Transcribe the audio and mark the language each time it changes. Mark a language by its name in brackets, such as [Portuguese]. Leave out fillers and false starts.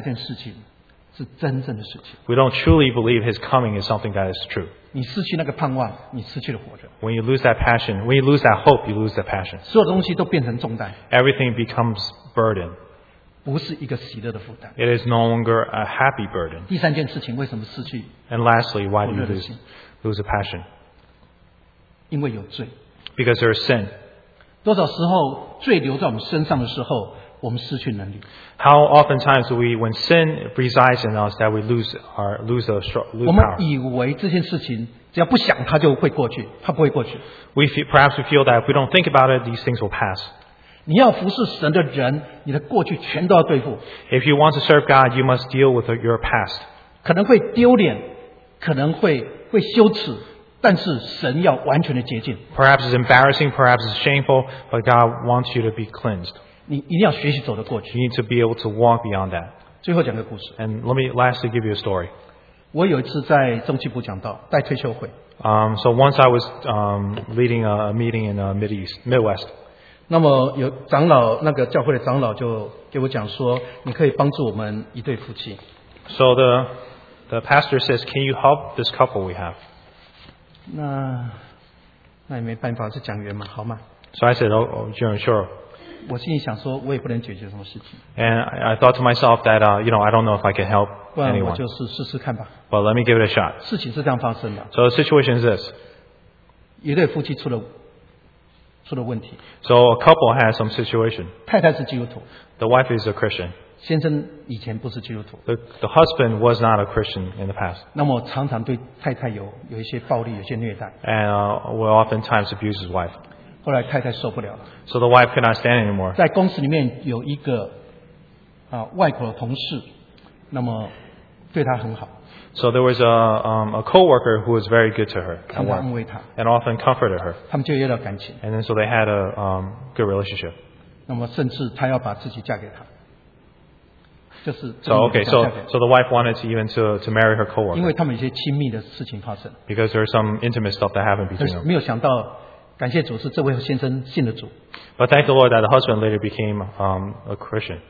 [Chinese] 我们不相信将来基督再来那件事情是真正的事情。 [English] We don't truly believe his coming is something that is true. [Chinese] 你失去那个盼望, 你失去了活着。 [English] When you lose that passion, when you lose that hope, you lose that passion. [Chinese] 所有东西都变成重担。 [English] Everything becomes burden. [Chinese] 不是一个喜乐的负担。 [English] It is no longer a happy burden. [Chinese] 第三件事情为什么失去? [English] And lastly, why do you lose a passion? [Chinese] 因为有罪。 [English] Because there is sin. [Chinese] 多少时候罪留在我们身上的时候, 我们失去能力。 [English] How often times do we, when sin resides in us, that we lose our, lose the power? [Chinese] 我们以为这件事情只要不想它就会过去, 它不会过去。 [English] We feel, perhaps we feel that if we don't think about it, these things will pass. [Chinese] 你要服侍神的人, 你的过去全都要对付。 [English] If you want to serve God, you must deal with your past. [Chinese] 可能会丢脸, 可能会羞耻。但是神要完全的洁净。 [English] Perhaps it's embarrassing, perhaps it's shameful, but God wants you to be cleansed. [Chinese] 你一定要学习走得过去。 [English] You need to be able to walk beyond that. [Chinese] 最后讲个故事。 [English] And let me lastly give you a story. [Chinese] 我有一次在中西部讲道, 带退休会。 [English] So once I was leading a meeting in the Midwest. [Chinese] 那么有长老, 那个教会的长老就给我讲说, 你可以帮助我们一对夫妻。 [English] So the pastor says, can you help this couple we have? [Chinese] 那也没办法, 是讲员嘛, 好吗? [English] So I said, oh, sure. [Chinese] 我心里想说, [English] and I thought to myself that, you know, I don't know if I can help anyone. But let me give it a shot. [Chinese] 事情是这样发生的, [English] so the situation is this. [Chinese] 一对夫妻出了问题, [English] so a couple has some situation. [Chinese] 太太是基督徒, [English] the wife is a Christian. [Chinese] 先生以前不是基督徒, [English] the husband was not a Christian in the past. [Chinese] 那么常常对太太有一些暴力, [English] and will oftentimes abuse his wife. [Chinese] 后来太太受不了了, [English] so the wife could not stand anymore. [Chinese] 在公司里面有一个, 啊, 外国的同事, 那么对她很好, [English] so there was a co-worker who was very good to her at work, and often comforted her. [Chinese] 他们就有了感情, [English] and then so they had a good relationship. [Chinese] 那么甚至她要把自己嫁给他, [English] so okay, so the wife wanted to even to marry her co-worker. [Chinese] 因为他们一些亲密的事情发生, [English] because there's some intimate stuff that happened between them. [Chinese] 没有想到, 感谢主是这位先生信了主, [English] but thank the Lord that the husband later became a Christian.